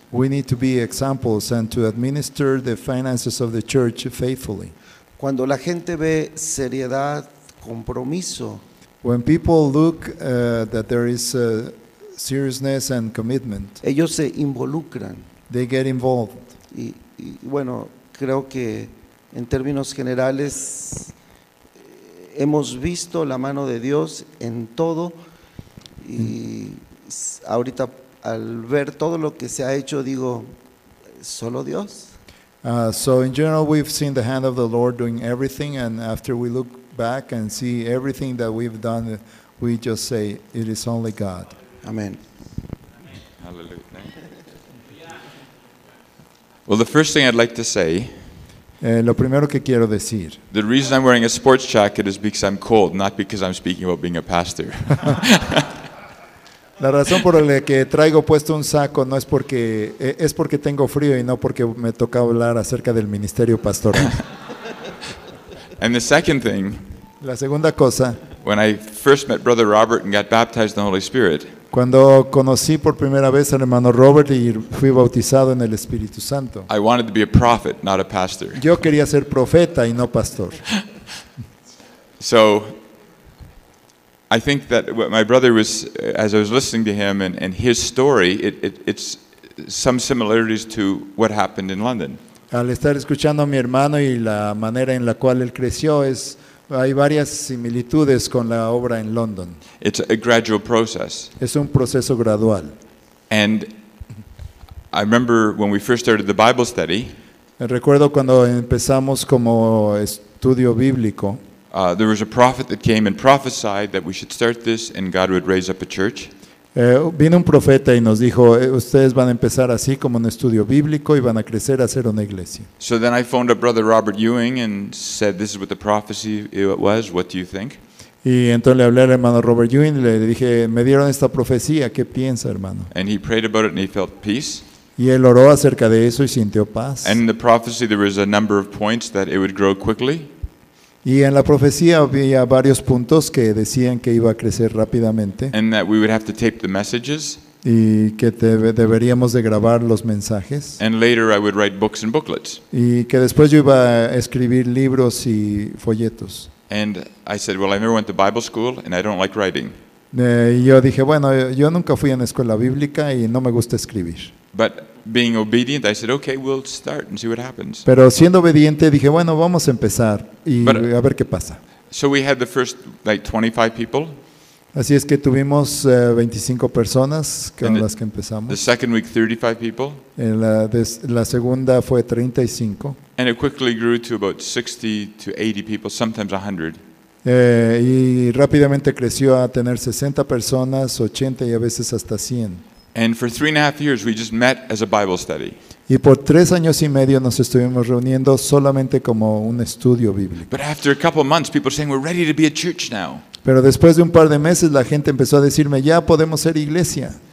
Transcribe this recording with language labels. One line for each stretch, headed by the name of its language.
English: We need to be examples and to administer the finances of the church faithfully.
Spanish: Cuando la gente ve seriedad, compromiso.
English: When people look that there is a seriousness and commitment.
Spanish: Ellos se involucran.
English: They get involved.
Spanish: Y bueno, creo que en términos generales hemos visto la mano de Dios en todo. Y ahorita al ver todo lo que se ha hecho, digo, solo Dios.
English: So in general, we've seen the hand of the Lord doing everything. And after we look back and see everything that we've done, we just say, it is only God. Amen. Hallelujah. Well, the first thing I'd like to say.
Spanish: Lo primero que quiero decir.
English: The reason I'm wearing a sports jacket is because I'm cold, not because I'm speaking about being a pastor.
Spanish: La razón por la que traigo puesto un saco no es porque es porque tengo frío y no porque me toca hablar acerca del ministerio pastoral.
English: And the second thing.
Spanish: La segunda cosa.
English: When I first met Brother Robert and got baptized in the Holy Spirit.
Spanish: Cuando conocí por primera vez al hermano Robert y fui bautizado en el Espíritu Santo.
English: I wanted to be a prophet, not a pastor.
Spanish: Yo quería ser profeta y no pastor.
English: So, I think that what my brother was, as I was listening to him and his story, it's some similarities to what happened in London.
Spanish: Al estar escuchando a mi hermano y la manera en la cual él creció es Hay varias similitudes con la obra en London.
English: It's a gradual process.
Spanish: Es un proceso gradual.
English: And I remember when we first started the Bible study.
Spanish: Recuerdo cuando empezamos como estudio bíblico.
English: There was a prophet that came and prophesied that we should start this and God would raise up a church.
Spanish: Vino un profeta y nos dijo, ustedes van a empezar así como un estudio bíblico y van a crecer a ser una iglesia.
English: So then I phoned up Brother Robert Ewing and said, this is what the prophecy was, what do you think?
Spanish: Y entonces le hablé al hermano Robert Ewing y le dije, me dieron esta profecía, ¿qué piensa, hermano?
English: And he prayed about it and he felt peace.
Spanish: Y él oró acerca de eso y sintió paz.
English: And in the prophecy there was a number of points that it would grow quickly.
Spanish: Y en la profecía había varios puntos que decían que iba a crecer rápidamente.
English: And that we would have to tape the messages.
Spanish: Y que deberíamos de grabar los mensajes.
English: And later I would write books and booklets.
Spanish: Y que después yo iba a escribir libros y folletos.
English: And I said, well, I never went to Bible school and I don't like writing.
Spanish: Yo dije, bueno, yo nunca fui a la escuela bíblica y no me gusta escribir.
English: But being obedient, I said, okay, we'll start and see what happens.
Spanish: Pero siendo obediente, dije, bueno, vamos a empezar y a ver qué pasa.
English: So we had the first like 25 people.
Spanish: Así es que tuvimos 25 personas con las que empezamos.
English: The second week, 35 people.
Spanish: La segunda fue 35.
English: And it quickly grew to about 60 to 80 people, sometimes 100.
Spanish: Y rápidamente creció a tener 60 personas, 80 y a veces hasta 100.
English: And for 3.5 years, we just met as a Bible study.
Spanish: Y por 3 años y medio nos estuvimos reuniendo solamente como un estudio bíblico.
English: But after a couple of months, people were saying we're ready to be a church now.
Spanish: Pero después de un par de meses, la gente empezó a decirme ya podemos ser iglesia.